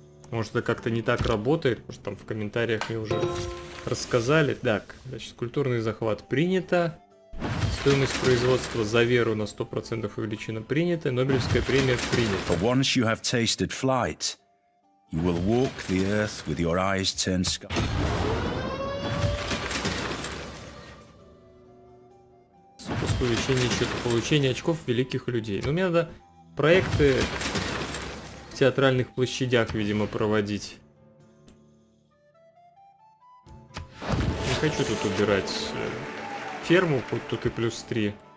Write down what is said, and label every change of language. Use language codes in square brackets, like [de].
[ru] Может, это как-то не так работает, может, там в комментариях мне уже рассказали. Так, значит, культурный захват принято, стоимость производства за веру на 100% увеличена, принято, Нобелевская премия принята. [en] Once you have tasted flight, you will walk the earth with your eyes turned sky. [ru] Спуск увеличения счета, получение очков великих людей. Ну, мне надо проекты в театральных площадях, видимо, проводить. Не хочу тут убирать ферму, хоть тут и плюс 3.